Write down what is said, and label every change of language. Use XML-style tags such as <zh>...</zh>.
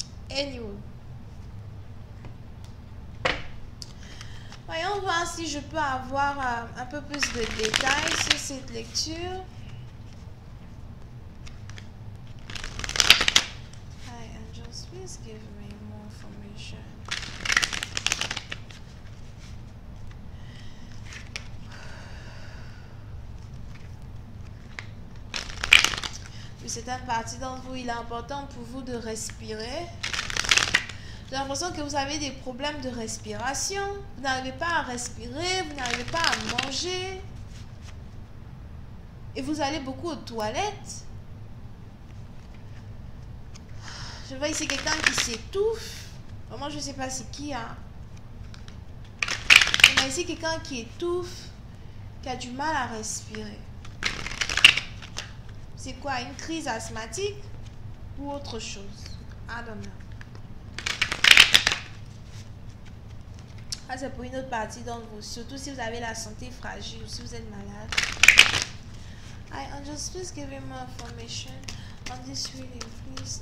<en>Anyway.</en> <fr>Voyons voir si je peux avoir un peu plus de détails sur cette lecture.</fr> <en>Please give me more information.</en> <fr>Pour certaines parties d'entre vous, il est important pour vous de respirer. J'ai l'impression que vous avez des problèmes de respiration. Vous n'arrivez pas à respirer, vous n'arrivez pas à manger. Et vous allez beaucoup aux toilettes. Je vois ici quelqu'un qui s'étouffe. Vraiment, je ne sais pas c'est qui. Hein. Mais ici quelqu'un qui étouffe, qui a du mal à respirer. C'est quoi? Une crise asthmatique ou autre chose?</fr> <en>I don't know.</en> <fr>Ah, c'est pour une autre partie d'entre vous. Surtout si vous avez la santé fragile ou si vous êtes malade.</fr> <en>I am just please give me more information on this reading, please.</en>